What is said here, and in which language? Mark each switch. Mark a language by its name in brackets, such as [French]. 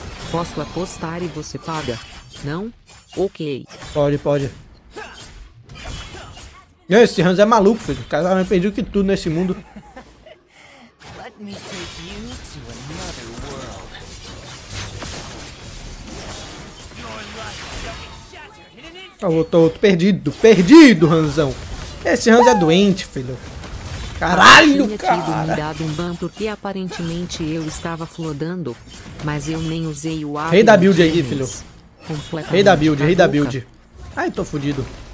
[Portuguese] Posso apostar e você paga? Não? Ok. Pode, pode. Esse Hans é maluco, filho. O cara me perdeu que tudo nesse mundo. [English] Let me take you to another world. [Portuguese] Outro perdido, perdido, Ranzão. Esse Ranz é doente, filho. Caralho, cara. Me dado um ban porque aparentemente eu estava flodando, mas eu nem usei o rei da build aí, filho. Rei da build, rei da build. Ai, tô fudido.